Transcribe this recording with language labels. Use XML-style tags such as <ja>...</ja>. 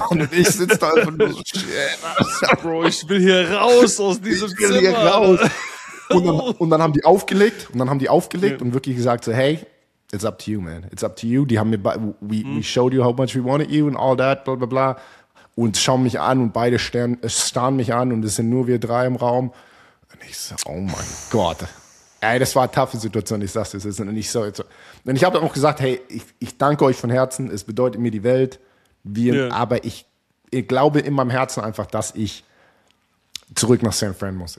<de>Und ich sitze da einfach nur so, Bro, ich will hier raus aus diesem Zimmer. Ich will hier raus. Und dann haben die aufgelegt. Und dann haben die aufgelegt und wirklich gesagt so,</de> <en>hey, it's up to you, man. It's up to you.</en> <de>Die haben mir,</de> <en>we showed you how much we wanted you and all that, bla bla bla.</en> <de>Und schauen mich an und beide starren mich an und es sind nur wir drei im Raum. Und ich so, oh mein Gott. Ey, das war eine toughe Situation. Ich sag's jetzt. Und ich so, und ich habe auch gesagt, hey, ich danke euch von Herzen. Es bedeutet mir die Welt. Aber ich glaube in meinem Herzen einfach, dass ich zurück nach San Fran muss.</de>